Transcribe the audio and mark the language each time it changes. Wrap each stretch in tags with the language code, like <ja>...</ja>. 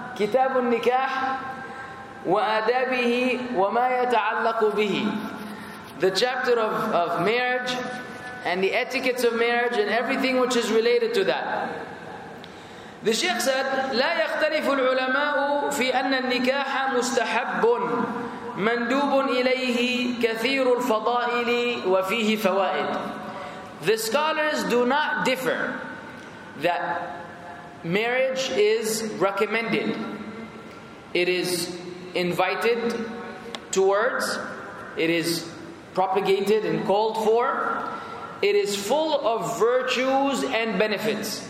<ar>كتاب النكاح وآدابه وما يتعلق به.</ar> <en>The chapter of marriage and the etiquettes of marriage and everything which is related to that. The Sheikh said,</en> <ar>لا يختلف العلماء في أن النكاح مستحب مندوب إليه كثير الفضائل وفيه فوائد.</ar> <en>The scholars do not differ that marriage is recommended. It is invited towards, it is propagated and called for. It is full of virtues and benefits.</en>